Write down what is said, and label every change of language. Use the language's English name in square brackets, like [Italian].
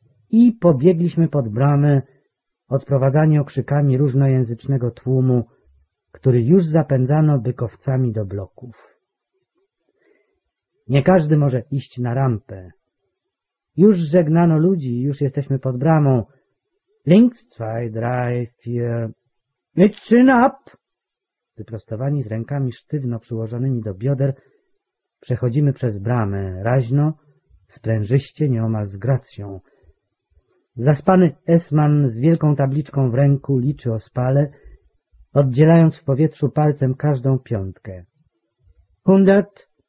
[Polish] I pobiegliśmy pod bramę, odprowadzani okrzykami różnojęzycznego tłumu, który już zapędzano bykowcami do bloków. Nie każdy może iść na rampę. Już żegnano ludzi, już jesteśmy pod bramą. [German] Links, zwei, drei, vier, mitschen ab! [Polish] Wyprostowani z rękami sztywno przyłożonymi do bioder, przechodzimy przez bramę, raźno, sprężyście, nieomal z gracją. Zaspany Esman z wielką tabliczką w ręku liczy ospale, oddzielając w powietrzu palcem każdą piątkę. — [German] Hundert!